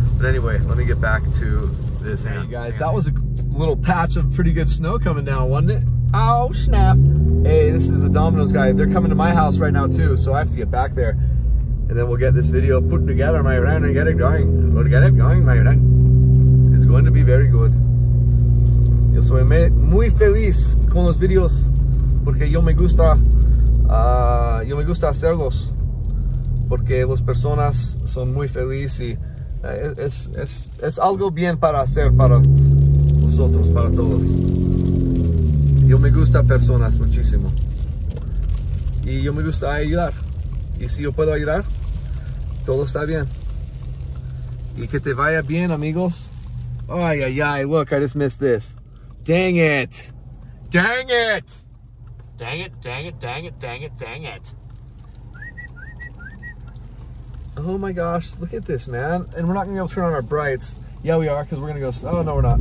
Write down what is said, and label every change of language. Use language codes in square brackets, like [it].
[en] But anyway, let me get back to this. Hey, guys, that was a little patch of pretty good snow coming down, wasn't it? Ow, snap. Hey, this is a Domino's guy. They're coming to my house right now too, so I have to get back there. And then we'll get this video put together, my friend, and get it going. We'll get it going, my friend. Going to be very good. [es] Yo soy muy feliz con los videos porque yo me gusta hacerlos porque las personas son muy felices y es algo bien para hacer para nosotros, para todos. Yo me gusta personas muchísimo y yo me gusta ayudar, y si yo puedo ayudar, todo está bien. Y que te vaya bien, amigos. [en] Oh, yeah, yeah, look, I just missed this. Dang it. Dang it. Dang it, dang it, dang it, dang it, dang it. Oh, my gosh, look at this, man. And we're not going to be able to turn on our brights. Yeah, we are, because we're going to go... Oh, no, we're not.